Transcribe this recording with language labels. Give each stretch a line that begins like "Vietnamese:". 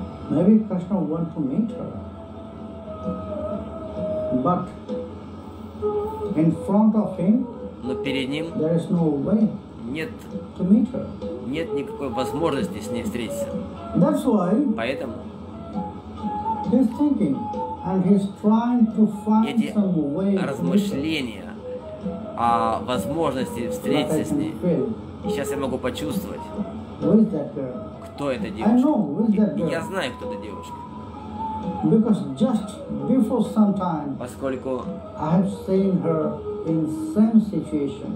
English: Maybe Krishna want to meet her. But in front of him,
Russian: но перед ним
English: there is no way
Russian: нет,
English: to meet her.
Russian: Нет никакой возможности с ней встретиться.
English: That's why.
Russian: Поэтому
English: he's thinking and he's trying to find some way.
Russian: Размышления о возможности встретиться с ней. И сейчас я могу почувствовать, кто эта девушка. Я знаю, кто эта девушка.
English: Because just before some time,
Russian: поскольку
English: I have seen her in same situation.